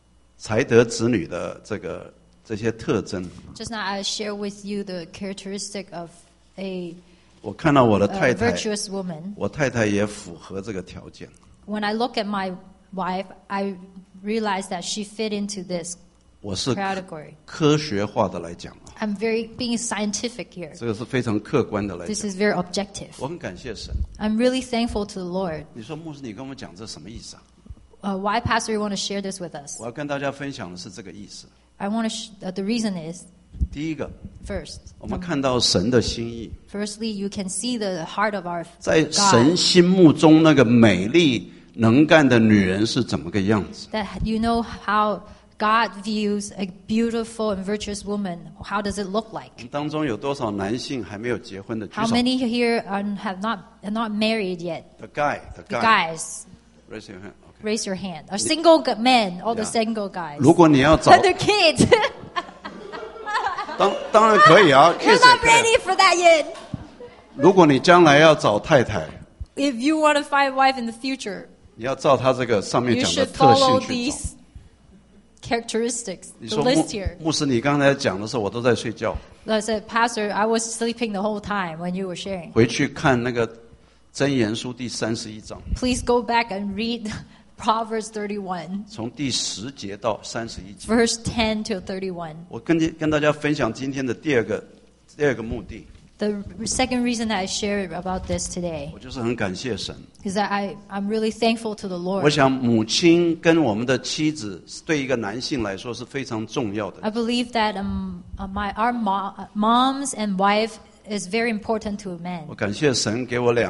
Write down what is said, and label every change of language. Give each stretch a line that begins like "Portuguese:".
Chinese: 我刚才讲过这个才德子女的这些特征。
English: Just now I share with you the characteristic of a,
Chinese: 我看到我的太太,
English: a virtuous woman.
Chinese: 我太太也符合这个条件。
English: When I look at my wife, I realized that she fit into this category.
Chinese: 科学化的来讲,
English: I'm very being scientific here.
Chinese: 这个是非常客观的来讲,
English: this is very objective.
Chinese: 我很感谢神,
English: I'm really thankful to the Lord.
Chinese: 你说牧师你跟我讲这什么意思啊?
English: Why, Pastor, you want to share this with us?
Chinese: 我要跟大家分享的是这个意思。
English: I want to the reason is
Chinese: 第一个,
English: first,
Chinese: 我们看到神的心意。
English: Firstly, you can see the heart of our God.
Chinese: 在神心目中那个美丽 能干的女人是怎么个样子？
English: That you know how God views a beautiful and virtuous woman. How does it look like?
Chinese: 当中有多少男性还没有结婚的？举手。
English: How many here have not married yet? The guys. Raise your hand. Okay. Raise your hand. A single man. All the single guys.
Chinese: 如果你要找
English: and their kids.
Chinese: 当然可以啊。
English: You're not ready for that yet.
Chinese: 如果你将来要找太太。
English: If you want to find a wife in the future, you should follow these characteristics, the list here.
Chinese: 牧师，你刚才讲的时候，我都在睡觉。
English: I said, Pastor, I was sleeping the whole time when you were sharing.
Chinese: 回去看那个箴言书第31章。
English: Please go back and read Proverbs 31.
Chinese: 从第10节到31节。
English: Verse 10 to 31.
Chinese: 我跟大家分享今天的第二个目的。
English: The second reason that I share about this today is that I'm really thankful to the Lord. I believe that our moms and wife is very important to a man.